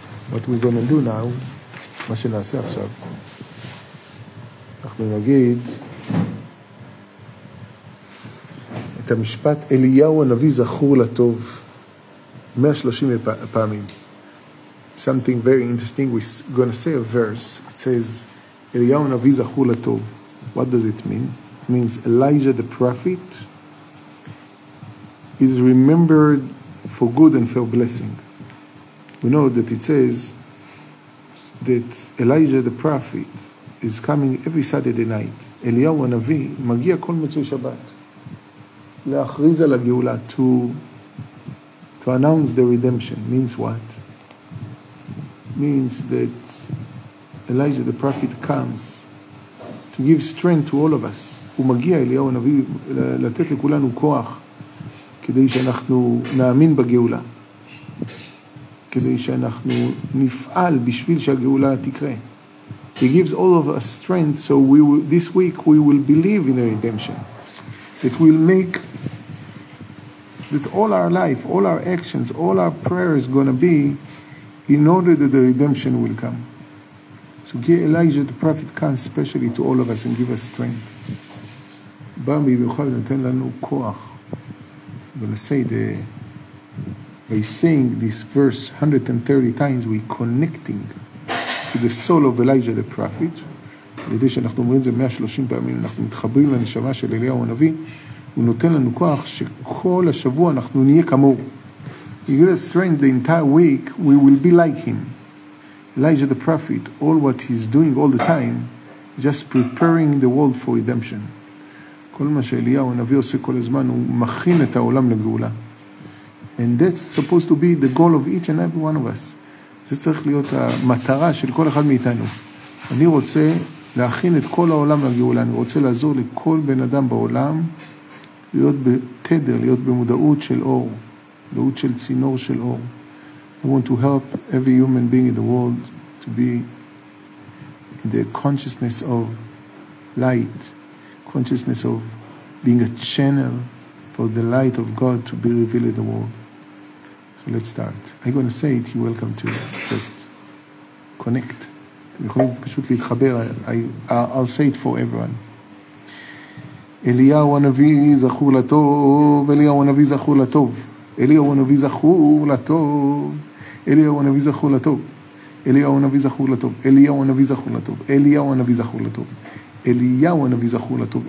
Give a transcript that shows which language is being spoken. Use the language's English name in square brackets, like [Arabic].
[English] What we're going to do now, [Hebrew] מה שנעשה עכשיו, אנחנו נגיד, את המשפט אליהו הנביא זכור לטוב 130 פעמים. [English] Something very interesting, we're going to say a verse. It says, [Hebrew] אליהו הנביא זכור לטוב. [English] What does it mean? It means Elijah the prophet is remembered for good and for blessing. We know that it says that Elijah the prophet is coming every Saturday night. [Hebrew] אליהו הנביא מגיע כל מוצאי שבת להכריז על הגאולה, [English] to announce the redemption. Means what? Means that Elijah the prophet comes to give strength to all of us. [Hebrew] הוא מגיע אליהו הנביא לתת לכולנו כוח כדי שאנחנו נאמין בגאולה, כדי שאנחנו נפעל בשביל שהגאולה תקרה. [English] He gives all of us strength, so we will, this week we will believe in the redemption. It will make that all our life, all our actions, all our prayers going to be in order that the redemption will come. So get Elijah the prophet comes specially to all of us and give us strength. [Hebrew] Bambi b'chol noten lanu koach. [English] I'm going to say the, by saying this verse 130 times, we're connecting to the soul of Elijah the prophet. [Hebrew] לידי שאנחנו אומרים זה 130 פעמים, אנחנו מתחברים לנשמה של אליהו הנביא, הוא נותן לנו כוח שכל השבוע אנחנו נהיה כמור. [English] He gives us strength the entire week, we will be like him. Elijah the prophet, all what he's doing all the time, just preparing the world for redemption. [Hebrew] כל מה שאליהו הנביא עושה כל הזמן, הוא מכין את העולם לגאולה. [English] And that's supposed to be the goal of each and every one of us. [Hebrew] זה צריך להיות המטרה של כל אחד מאיתנו. אני רוצה להכין את כל העולם לגאולה, אני רוצה לעזור לכל בן אדם בעולם, להיות בתדר, להיות במודעות של אור, מודעות של צינור של אור. [English] I want to help every human being in the world to be in the consciousness of light, consciousness of being a channel for the light of God to be revealed in the world. So let's start. I'm going to say it, you're welcome to just connect. [Hebrew] אתם יכולים פשוט להתחבר, [English] I'll say it for everyone. [Hebrew] אליהו הנביא זכור לטוב, אליהו הנביא זכור לטוב. אליהו הנביא זכור לטוב, אליהו הנביא זכור לטוב. אליהו הנביא זכור לטוב, אליהו הנביא זכור לטוב. אליהו הנביא זכור לטוב, אליהו הנביא זכור לטוב.